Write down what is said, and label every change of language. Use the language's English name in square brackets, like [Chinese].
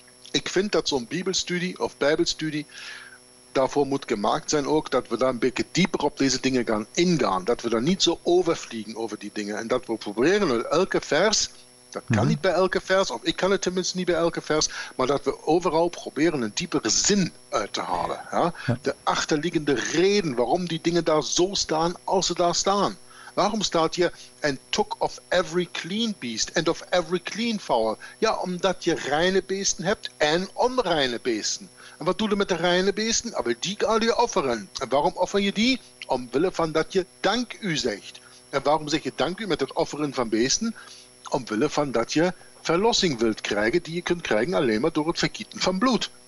[Dutch] Ik vind dat zo'n bibelstudie of bijbelstudie daarvoor moet gemaakt zijn ook, dat we daar een beetje dieper op deze dingen gaan ingaan. Dat we daar niet zo overvliegen over die dingen. En dat we proberen elke vers, dat kan niet bij elke vers, of ik kan het tenminste niet bij elke vers, maar dat we overal proberen een diepere zin uit te halen. Ja? De achterliggende reden waarom die dingen daar zo staan als ze daar staan. Waarom staat hier, [English] and took of every clean beast, and of every clean fowl? [Dutch] Ja, omdat je reine beesten hebt en onreine beesten. En wat doe je met de reine beesten? Aber die kan je offeren. En waarom offer je die? Omwille van dat je dank u zegt. En waarom zeg je dank u met het offeren van beesten? Omwille van dat je verlossing wilt krijgen, die je kunt krijgen alleen maar door het vergieten van bloed.